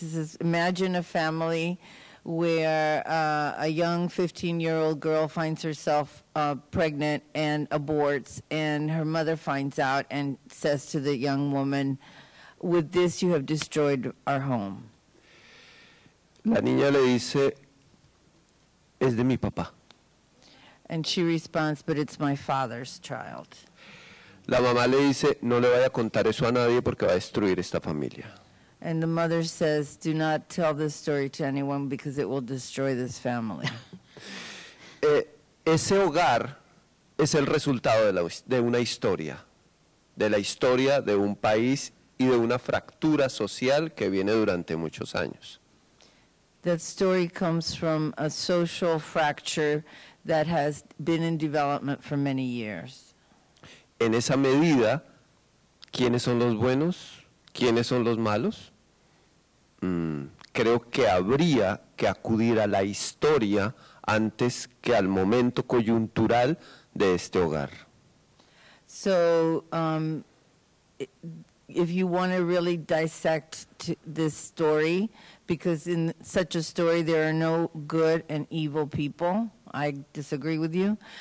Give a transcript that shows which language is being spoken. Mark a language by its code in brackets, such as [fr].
[en] This is, imagine a family where a young 15-year-old girl finds herself pregnant and aborts, and her mother finds out and says to the young woman, with this you have destroyed our home. [es] La niña le dice, es de mi papá. [en] And she responds, but it's my father's child. [es] La mamá le dice, no le vaya a contar eso a nadie porque va a destruir esta familia. [en] And the mother says, do not tell this story to anyone because it will destroy this family. [es] Ese hogar es el resultado de, de una historia, de la historia de un país y de una fractura social que viene durante muchos años. [en] That story comes from a social fracture that has been in development for many years. [es] En esa medida, ¿quiénes son los buenos? ¿Quiénes son los malos? Creo que habría que acudir a la historia antes que al momento coyuntural de este hogar. [en] So, if you want to really dissect this story, because in such a story there are no good and evil people, I disagree with you.